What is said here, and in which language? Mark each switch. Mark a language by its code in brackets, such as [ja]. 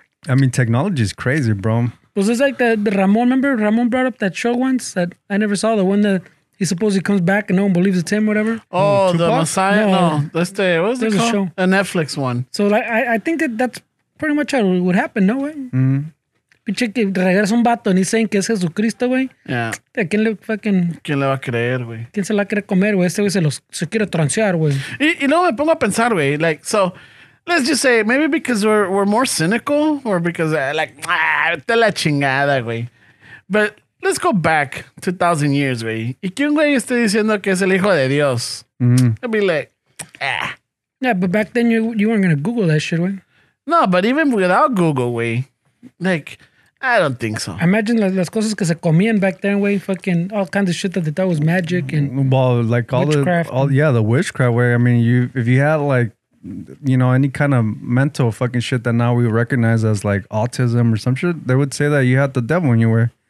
[en] I mean, technology is crazy, bro. Was this like the Ramon, remember? Ramon brought up that show once that I never saw, the one that... He supposedly comes back and no one believes it's him, whatever. Oh, Tupac? The Messiah? No. That's the, what was it called? A show. A Netflix one. So like, I think that's pretty much how it would happen, no way? [es] Piche que regresa un vato y dicen que es Jesucristo, güey. [en] Yeah. [es] ¿A quién le fucking... ¿Quién le va a creer, güey? ¿Quién se la quiere comer, güey? Este güey se quiere transear, güey. Y luego me pongo a pensar, güey. [en] Like, so, let's just say, maybe because we're more cynical or because, [es] te la chingada, güey. [en] But... Let's go back 2,000 years, güey. [es] ¿Y quién güey está diciendo que es el hijo de Dios? Mm-hmm. [en] I'd be like, Yeah, but back then you weren't going to Google that shit, güey. No, but even without Google, güey, like, I don't think so. Imagine [es] las cosas que se comían [en] back then, güey, fucking all kinds of shit that they thought was magic and well, like all witchcraft. The witchcraft, where I mean, if you had like, you know, any kind of mental fucking shit that now we recognize as like autism or some shit, they would say that you had the devil when you were...